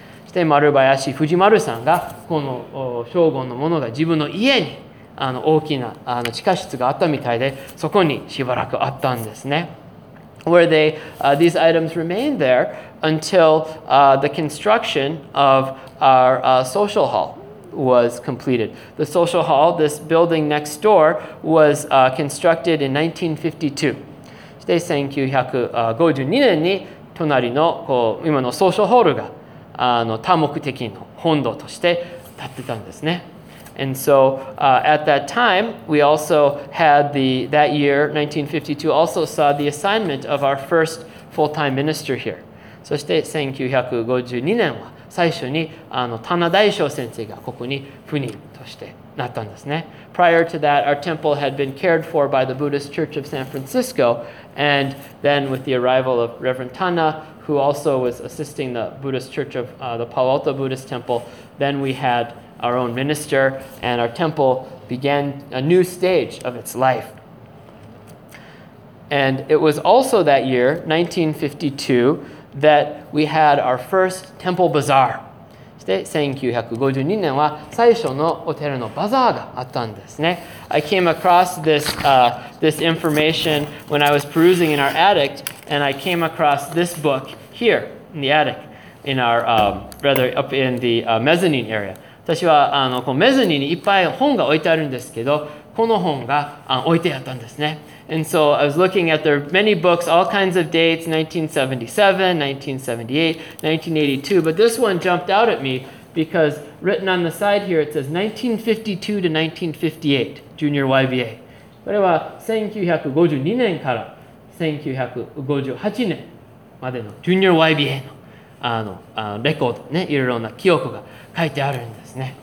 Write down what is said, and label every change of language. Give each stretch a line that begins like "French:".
Japanese: そして Marubayashi Fujimaru さんがこの将軍のものが自分の家にあの大きなあの地下室があったみたいでそこにしばらくあったんですね。
English: Where they, these items remained there until the construction of our social hall was completed. The social hall, this building next door, was constructed in 1952.
Japanese: そして1952年に隣のこう今のソーシャルホールがあの多目的の本堂として建ってたんですね。
English: And so at that time, we also had that year, 1952, also saw the assignment of our first full-time minister here.
Japanese: そして1952年は最初にあの棚大将先生がここに赴任としてなったんですね。
English: Prior to that, our temple had been cared for by the Buddhist Church of San Francisco, and then with the arrival of Reverend Tana, who also was assisting the Buddhist Church of the Palo Alto Buddhist Temple, then we had... our own minister, and our temple began a new stage of its life. And it was also that year, 1952, that we had our first temple bazaar.
Japanese: そして1952年は最初のお寺のバザーがあったんですね。
English: I came across this information when I was perusing in our attic, and I came across this book here in the attic, in our, rather up in the mezzanine area.
Japanese: 私はあのこうメズニーにいっぱい本が置いてあるんですけど、この本があの置いてあったんですね。
English: And so I was looking at their many books, all kinds of dates, 1977, 1978, 1982, but this one jumped out at me because written on the side here it says 1952 to 1958, Junior YVA.
Japanese: これは1952年から1958年までの Junior YVA の、レコードね、いろいろな記憶が書いてあるんです。